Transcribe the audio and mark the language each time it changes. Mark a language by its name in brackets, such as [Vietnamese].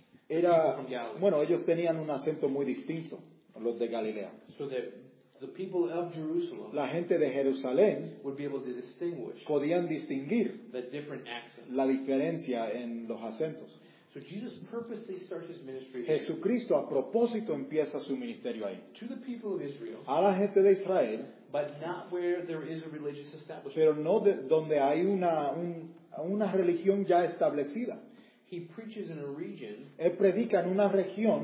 [Spanish] Era, bueno, ellos tenían un acento muy distinto, los de Galilea. [English] So that the people of Jerusalem, [Spanish] la gente de Jerusalén, [English] would be able to distinguish, [Spanish] podían distinguir [English] the different accent, [Spanish] la diferencia en los acentos. [English] So Jesus purposely starts his ministry. [Spanish] Jesucristo a propósito empieza su ministerio ahí. [English] To the people of Israel, [Spanish] a la gente de Israel, [English] but not where there is a religious establishment. [Spanish] Pero no donde hay una religión ya establecida. [English] He preaches in a region, [Spanish] él predica en una región